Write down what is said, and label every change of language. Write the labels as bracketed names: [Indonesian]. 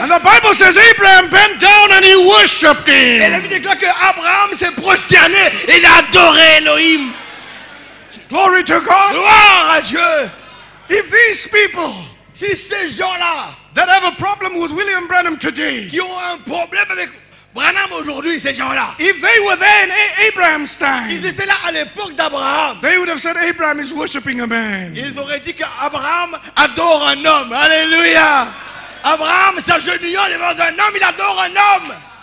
[English] And the Bible says Abraham bent down and he worshipped him. [French] Et la Bible déclare que Abraham s'est prosterné et il a adoré Elohim. [English] Glory to God. [French] Gloire à Dieu. [English] If these people, [French] si ces gens-là, [English] that have a problem with William Branham today, [French] qui ont un problème avec Branham aujourd'hui, ces gens-là, [English] if they were there in Abraham's time, [French] s'ils étaient là à l'époque d'Abraham, [English] they would have said Abraham is worshiping a man. [French] Ils auraient dit que Abraham adore un homme. Alléluia. Abraham s'agenouillant devant un homme, il adore un homme.